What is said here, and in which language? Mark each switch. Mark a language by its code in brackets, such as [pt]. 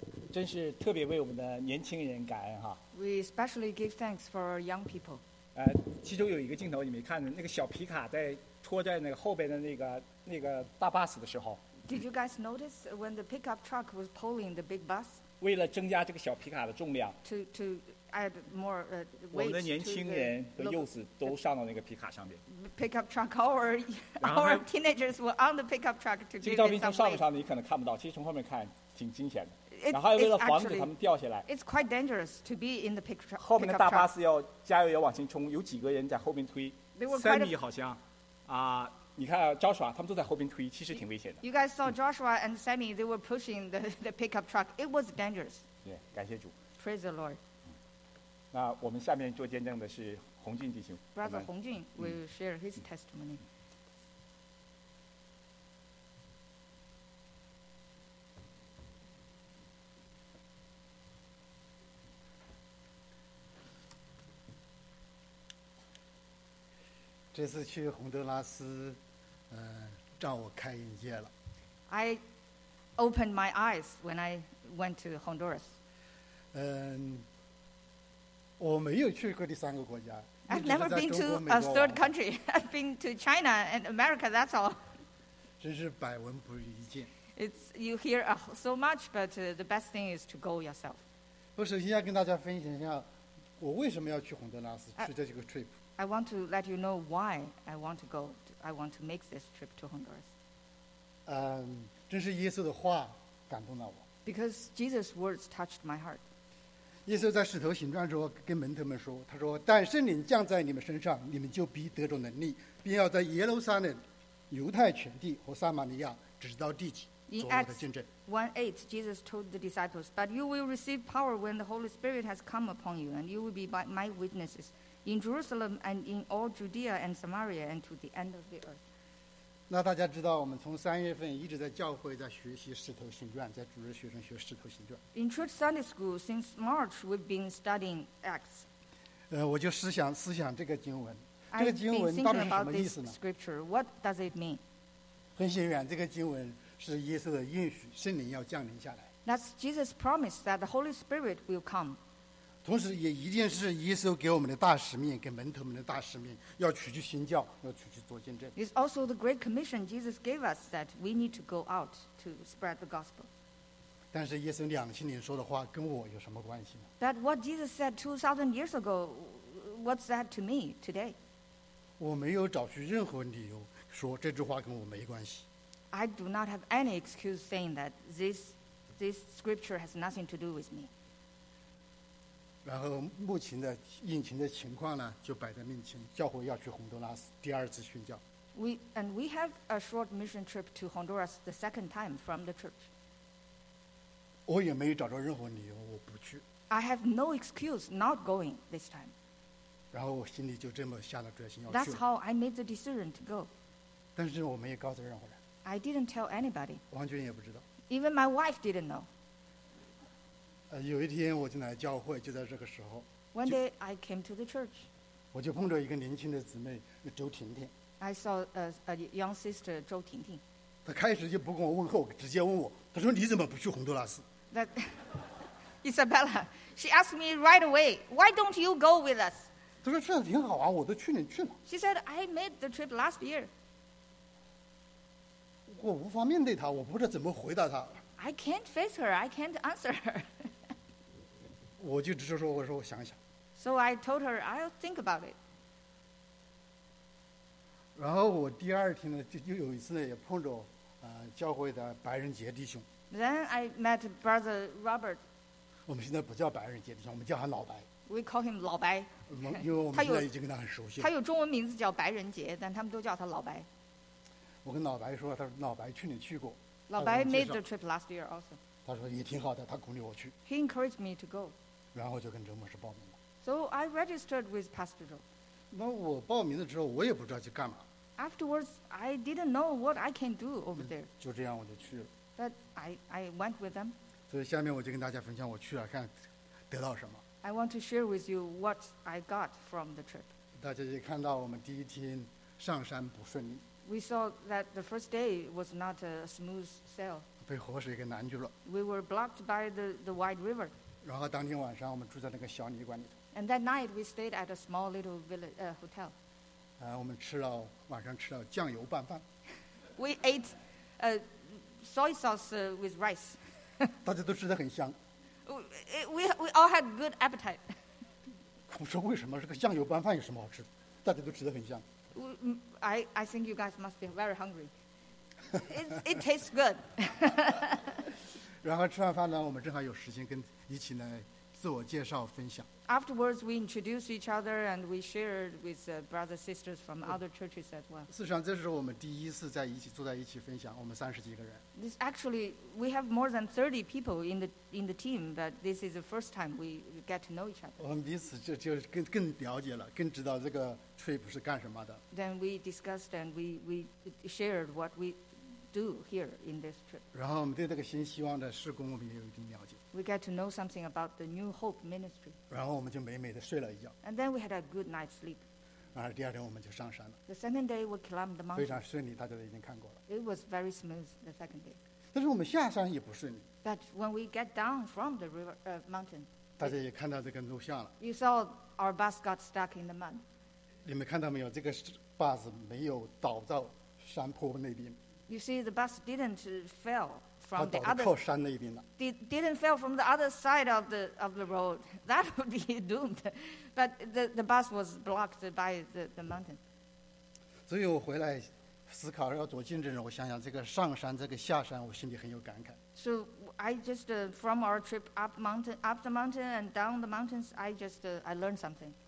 [zh] 真是特别为我们的年轻人感恩哈。 [en] We especially give thanks for our young people. [zh] 其中有一个镜头你没看，那个小皮卡在拖在那个后边的那个大 bus 的时候。 [en] Did you guys notice when the pickup truck was pulling the big bus? [zh] 为了增加这个小皮卡的重量。 [en] To add more weight. [zh] 我们的年轻人和幼子都上到那个皮卡上面。 [en] Pickup truck, our teenagers were on the pickup truck to give it some. [zh] 这个照片从上面上你可能看不到，其实从后面看挺惊险的。然后为了防止他们掉下来 [en] it's quite dangerous to be in the pickup truck. [zh] 后面的大巴士要加油要往前冲，有几个人在后面推，三米好像啊，你看 Joshua 他们都在后面推，其实挺危险的。 [en] You guys saw Joshua and Sammy, they were pushing the pickup truck. It was dangerous. [zh] 对、yeah, 感谢主。 [en] Praise the Lord. [zh] 那我们下面做见证的是洪俊弟兄。 [en] Brother Hong Jun will share his testimony. [zh] 这次去洪都拉斯，让我开眼界了。 [en] I opened my eyes when I went to Honduras. [zh] 我没有去过第三个国家。 [en] I've never been to a third country. I've been to China and America. That's all. [zh] 真是百闻不如一见。 [en] It's you hear so much, but the best thing is to go yourself. [zh] 我首先要跟大家分享一下，我为什么要去洪都拉斯，去这几个 trip。 [en] I want to let you know why I want to go. I want to make this trip to Honduras. [zh] 真是耶稣的话感动了我。 [en] Because Jesus' words touched my heart. [zh] 耶稣在使徒行传中跟门徒们说，他说：“但圣灵降在你们身上，你们就必得着能力，并要在耶路撒冷、犹太全地和撒玛利亚，直到地极，做我的见证。” [en] Acts 1:8, Jesus told the disciples, "But you will receive power when the Holy Spirit has come upon you, and you will be my witnesses." In Jerusalem and in all Judea and Samaria and to the end of the earth. [zh] 那大家知道，我们从三月份一直在教会在学习使徒行传，在组织学生学使徒行传。 [en] In Church Sunday School since March, we've been studying Acts. [zh] 我就思想这个经文，这个经文到底是什么意思呢 [en] ？Scripture, what does it mean? [zh] 很显然，这个经文是耶稣的应许，圣灵要降临下来。 [en] That's Jesus' promise that the Holy Spirit will come. [zh] 同时也一定是耶稣给我们的大使命，给门徒们的大使命，要出去宣教，要出去做见证。 [en] It's also the great commission Jesus gave us that we need to go out to spread the gospel. [zh] 但是耶稣2000年说的话跟我有什么关系呢 [en] ？That what Jesus said 2000 years ago, what's that to me today? [zh] 我没有找出任何理由说这句话跟我没关系。 [en] I do not have any excuse saying that this scripture has nothing to do with me. [zh] 然后目前的疫情的情况呢，就摆在面前。教会要去洪都拉斯第二次宣教。 [en] We have a short mission trip to Honduras the second time from the church. [zh] 我也没有找到任何理由我不去。 [en] I have no excuse not going this time. [zh] 然后我心里就这么下了决心要去。 [en] That's how I made the decision to go. [zh] 但是我没有告诉任何人。 [en] I didn't tell anybody. [zh] 王军也不知道。 [en] Even my wife didn't know. [zh] 有一天我进来教会，就在这个时候。 [en] One day I came to the church. [zh] 我就碰到一个年轻的姊妹，周婷婷。 [en] I saw a young sister, 周婷婷。 [zh] 她开始就不跟我问候，直接问我，她说：“你怎么不去洪都拉斯 [en] ？”That Isabella, she asked me right away, "Why don't you go with us?" [zh] 她说：“这挺好啊，我都去年去了。 [en] ”She said, "I made the trip last year." [zh] 我无法面对她，我不知道怎么回答她。 [en] I can't face her. I can't answer her. [zh] 我就只是说，我说我想一想。 [en] So I told her I'll think about it. [zh] 然后我第二天呢，就又有一次呢，也碰着教会的白人杰弟兄。 [en] Then I met Brother Robert. [zh] 我们现在不叫白人杰弟兄，我们叫他老白。 [en] We call him 老白， [zh] 因为我们现在已经跟他很熟悉了。他有中文名字叫白仁杰，但他们都叫他老白。我跟老白说，他说老白去年去过。 [en] 老白 made the trip last year also。 [zh] 他说也挺好的，他鼓励我去。 [en] He encouraged me to go。 [zh] 然后就跟周牧师报名了。 [en] So I registered with Pastor Joe。 [zh] 那我报名的时候，我也不知道去干嘛。 [en] Afterwards, I didn't know what I can do over there。 [zh] 就这样我就去了。 [en] But I went with them。 [zh] 所以下面我就跟大家分享我去了看得到什么。 [en] I want to share with you what I got from the trip. [zh] 大家也看到我们第一天上山不顺利。 [en] We saw that the first day was not a smooth sail. [zh] 被河水给拦住了。 [en] We were blocked by the wide river. [zh] 然后当天晚上我们住在那个小旅馆里头。 [en] And that night we stayed at a small little village hotel. [zh] 我们吃了晚上吃了酱油拌饭。 [en] We ate soy sauce with rice. [zh] 大家都吃得很香。 [en] We all had good appetite. [zh] 我说为什么这个酱油拌饭有什么好吃的？大家都吃得很香。 [en] I think you guys must be very hungry. It tastes good. [zh] 然后吃完饭呢，我们正好有时间跟一起呢自我介绍分享。 [en] Afterwards, we introduce each other and we share with brothers and sisters from other churches as well. [zh] 事实上，这是我们第一次在一起坐在一起分享。我们三十几个人。 [en] This actually, we have more than 30 people in the team, but this is the first time we get to know each other. [zh] 我们彼此就更了解了，更知道这个 trip 是干什么的。 [en] Then we discussed and we shared what we do here in this trip. [zh] 然后我们对这个新希望的事工，我们也有一定了解。 [en] We got to know something about the New Hope Ministry. [zh] 然后我们就美美的睡了一觉。 [en] And then we had a good night's sleep. [zh] 然后第二天我们就上山了。 [en] The second day we climbed the mountain. [zh] 非常顺利，大家都已经看过了。 [en] It was very smooth the second day. [zh] 但是我们下山也不顺利。 [en] But when we get down from the river mountain, [zh] 大家也看到这个录像了。 [en] You saw our bus got stuck in the mud. [zh] 你们看到没有？这个 bus 没有倒到山坡那边。 [en] You see, the bus didn't fail from the other. [zh] 它倒靠山那边了。 [en] Didn't fail from the other side of the road. That would be doomed. But the bus was blocked by the mountain. [zh] 所以我回来思考要做见证人，我想想这个上山这个下山，我心里很有感慨。 [en] So I just from our trip up the mountain and down the mountains, I learned something.